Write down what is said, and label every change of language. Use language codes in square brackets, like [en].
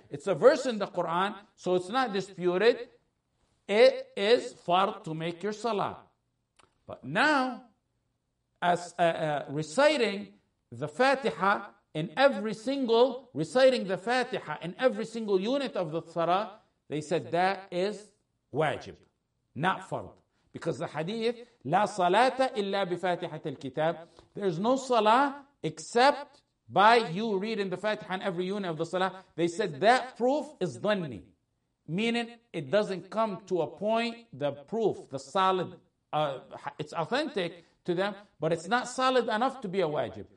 [en] It's a verse in the Quran, so it's not disputed. It is fard to make your salah. But now, as reciting the Fatiha in every single, reciting the Fatiha in every single unit of the salah, they said that is wajib, not fard. [ar] Because the hadith, لا صلاة إلا بفاتحة الكتاب. [en] There is no salah except by you reading the Fatiha in every unit of the salah. They said that proof is dhanni. Meaning it doesn't come to a point, the proof, the solid, it's authentic to them, but it's not solid enough to be a wajib.